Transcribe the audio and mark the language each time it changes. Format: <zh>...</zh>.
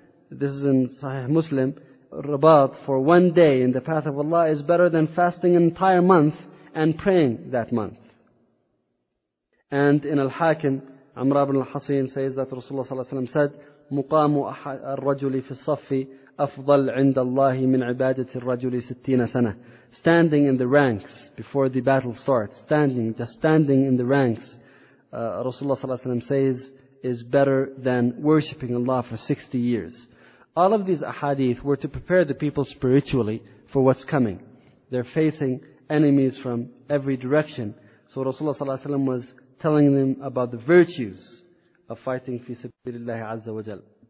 <en>This is in Sahih Muslim. Rabat for one day in the path of Allah is better than fasting an entire month and praying that month. And in Al-Hakim, Amr ibn Al-Hasin says that Rasulullah ﷺ said,</en> <ar>مُقَامُ الرَّجُلِ فِي الصَّفِّ أفضل عند الله من عبادة الرجل 60 سنة.</ar> <en>Standing in the ranks before the battle starts, standing, just standing in the ranks, Rasulullah sallallahu alayhi wa sallam says, is better than worshipping Allah for 60 years. All of these ahadith were to prepare the people spiritually for what's coming. They're facing enemies from every direction. So Rasulullah sallallahu alayhi wa sallam was telling them about the virtues of fighting fi sabilillahi azza wa jal.</en>